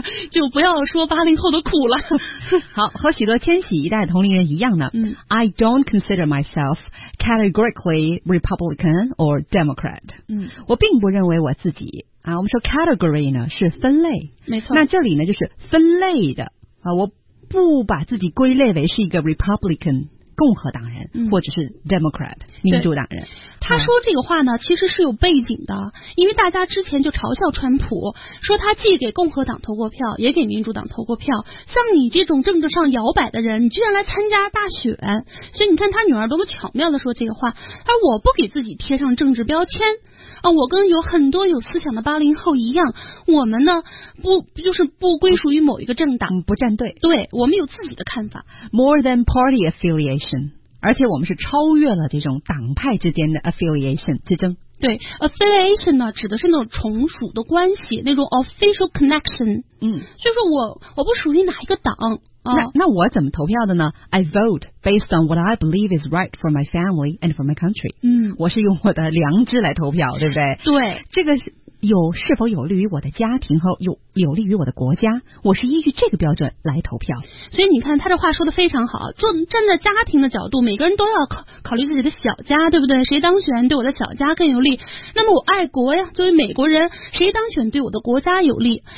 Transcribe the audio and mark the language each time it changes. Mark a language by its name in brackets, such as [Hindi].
[Chinese] 就不要说八零后的苦了。好，和许多千禧一代同龄人一样呢、 [English] I don't consider myself categorically Republican or Democrat。 [Chinese] 我并不认为我自己啊，我们说 category 呢是分类，没错，那这里呢就是分类的啊，我不把自己归类为是一个 Republican共和党人，或者是 Democrat 民主党人。他说这个话呢其实是有背景的，因为大家之前就嘲笑川普，说他既给共和党投过票也给民主党投过票，像你这种政治上摇摆的人你居然来参加大选。所以你看他女儿多么巧妙的说这个话，而我不给自己贴上政治标签啊，我跟有很多有思想的八零后一样，我们呢不就是不归属于某一个政党，不站队，对，我们有自己的看法。 [English] More than party affiliation， [Chinese] 而且我们是超越了这种党派之间的 affiliation 之争。对， affiliation 呢指的是那种从属的关系，那种 [English] official connection。 [Chinese] 就是我不属于哪一个党、那我怎么投票的呢？ [English] I vote based on what I believe is right for my family and for my country。 [Chinese] 我是用我的良知来投票，对不对？对，这个是否有利于我的家庭和有利于我的国家，我是依据这个标准来投票。所以你看他这话说的非常好，就站在家庭的角度，每个人都要考虑自己的小家，对不对？谁当选对我的小家更有利，那么我爱国呀，作为美国人谁当选对我的国家有利。